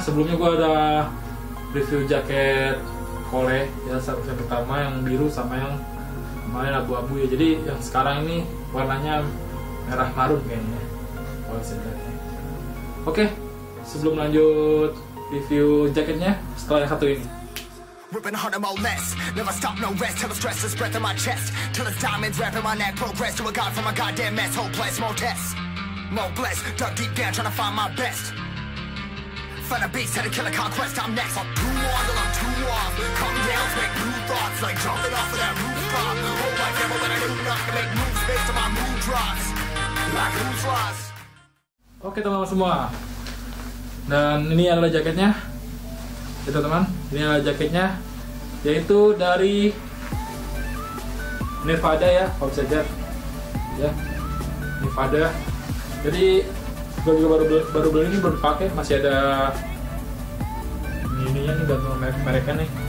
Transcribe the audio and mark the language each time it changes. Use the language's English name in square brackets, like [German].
[Indonesian] Sebelumnya gue ada review jaket Kole ya, yang pertama yang biru sama yang kemarin abu-abu ya. Jadi yang sekarang ini warnanya merah marun kayaknya kalau saya lihat. Oke, sebelum lanjut review jaketnya, setelah yang satu ini. [English] Ripping heart of my mess, never stop, no rest, till the stress is spread through my chest, till the diamonds wrap in my neck, progress to a god from a goddamn mess, hopeless, more tests, more blessed, dug deep down, trying to find my best, find a beast, had a killer conquest, I'm next, I'm too on till I'm too off, calm down, make new thoughts, like jumping off of that rooftop, oh my devil, when I do not, make moves based on my mood drops, like who's lost. [Indonesian] Oke teman-teman semua, dan ini adalah jaketnya. Ya teman-teman, ini adalah jaketnya, yaitu dari Nevada ya, kalau bisa lihat ya, Nevada. Jadi gue juga baru beli ini, baru pakai, masih ada ininya nih, gantung mereka nih.